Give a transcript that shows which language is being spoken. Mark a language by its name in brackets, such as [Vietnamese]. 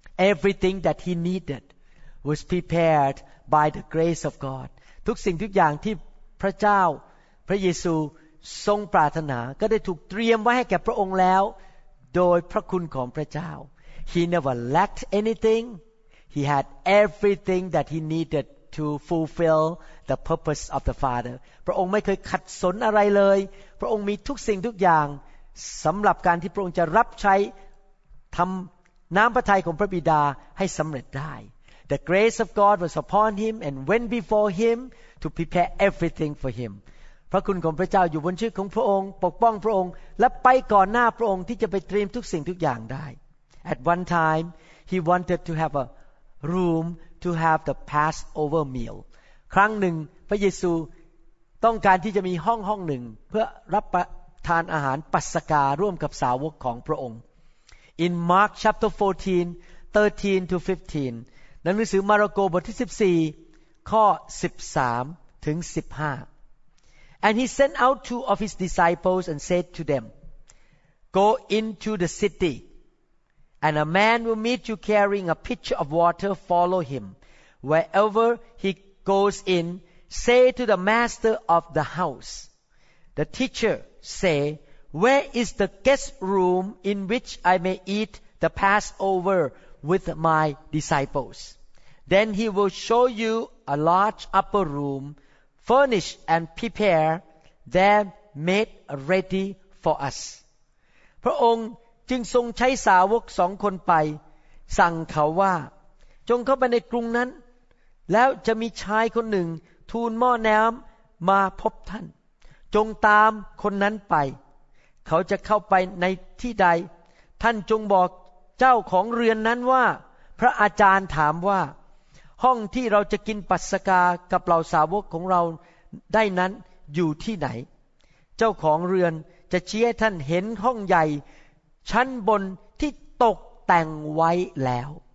[English] Everything that he needed was prepared by the grace of God [Thai] ทุกสิ่งทุกอย่างที่พระเจ้าพระเยซูทรงปรารถนาก็ได้ถูกเตรียมไว้ให้แก่พระองค์แล้วโดยพระคุณของพระเจ้า [English] He never lacked anything. He had everything that he needed to fulfill the purpose of the Father. [Thai] พระองค์ไม่เคยขัดสนอะไรเลยพระองค์มีทุกสิ่งทุกอย่างสำหรับการที่พระองค์จะรับใช้ทำน้ำพระทัยของพระบิดาให้สำเร็จได้ [English] The grace of God was upon him and went before him to prepare everything for him. [Thai] พระคุณของพระเจ้าอยู่บนชีวิตของพระองค์ปกป้องพระองค์และไปก่อนหน้าพระองค์ที่จะไปเตรียมทุกสิ่งทุกอย่างได้ [English] At one time, he wanted to have a room to have the Passover meal. [Thai] ครั้งหนึ่งพระเยซูต้องการที่จะมีห้องหนึ่งเพื่อรับประทานอาหารปัสการ่วมกับสาวกของพระองค์ [English] In Mark chapter 14, 13 to 15, [Thai] หนังสือมาระโกบทที่14ข้อ13ถึง15 [English] And he sent out two of his disciples and said to them, Go into the city. And a man will meet you carrying a pitcher of water, follow him. Wherever he goes in, say to the master of the house. The teacher say, Where is the guest room in which I may eat the Passover with my disciples? Then he will show you a large upper room, furnish and prepare, there made ready for us. [Thai] พระองค์จึงทรงใช้สาวกสองคนไปสั่งเขาว่าจงเข้าไปในกรุงนั้นแล้วจะมีชายคนหนึ่งทูลหม้อน้ำมาพบท่านจงตามคนนั้นไป เขาจะเข้าไปในที่ใดท่านจงบอกเจ้าของเรือนนั้นว่าพระอาจารย์ถามว่าห้องที่เราจะกินปัสกากับเหล่าสาวกของเราได้นั้นอยู่ที่ไหนเจ้าของเรือนจะชี้ให้ท่านเห็นห้องใหญ่ชั้นบนที่ตกแต่งไว้แล้ว